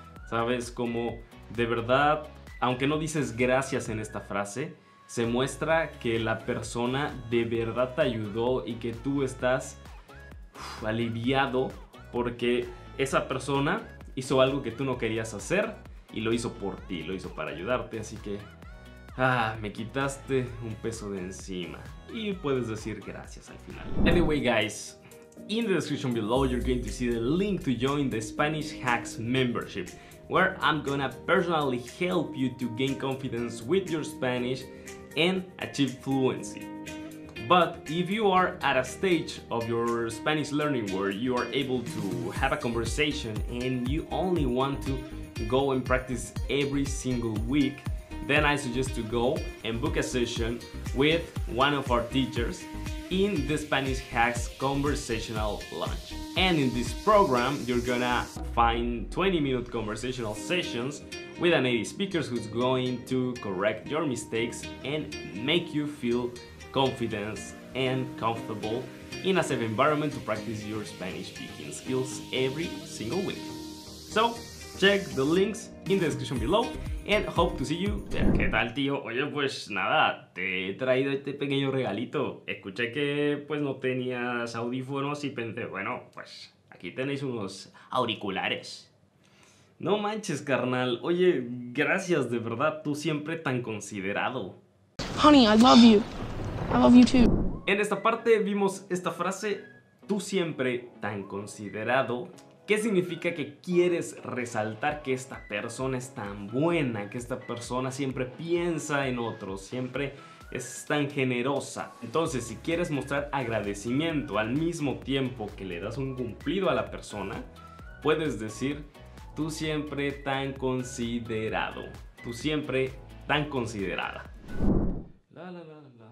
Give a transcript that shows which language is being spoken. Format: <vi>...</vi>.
<es>¿Sabes cómo de verdad? Aunque no dices gracias en esta frase, se muestra que la persona de verdad te ayudó y que tú estás aliviado porque esa persona hizo algo que tú no querías hacer y lo hizo por ti, lo hizo para ayudarte. Así que, me quitaste un peso de encima y puedes decir gracias al final.</es> <en>Anyway, guys, in the description below, you're going to see the link to join the Spanish Hacks membership, where I'm gonna personally help you to gain confidence with your Spanish and achieve fluency. But if you are at a stage of your Spanish learning where you are able to have a conversation and you only want to go and practice every single week, then I suggest to go and book a session with one of our teachers in the Spanish Hacks Conversational Lunch. And in this program, you're gonna find 20-minute conversational sessions with a native speaker who's going to correct your mistakes and make you feel confident and comfortable in a safe environment to practice your Spanish speaking skills every single week. So, check the links in the description below and hope to see you there.</en> <es>¿Qué tal, tío? Oye, pues nada, te he traído este pequeño regalito. Escuché que pues no tenías audífonos y pensé, bueno, pues aquí tenéis unos auriculares. No manches, carnal. Oye, gracias de verdad, tú siempre tan considerado.</es> <en>Honey, I love you. I love you too.</en> <es>En esta parte vimos esta frase Tú siempre tan considerado. ¿Qué significa que quieres resaltar que esta persona es tan buena, que esta persona siempre piensa en otros, siempre es tan generosa? Entonces, si quieres mostrar agradecimiento al mismo tiempo que le das un cumplido a la persona, puedes decir, tú siempre tan considerado, tú siempre tan considerada. La, la, la, la.</es>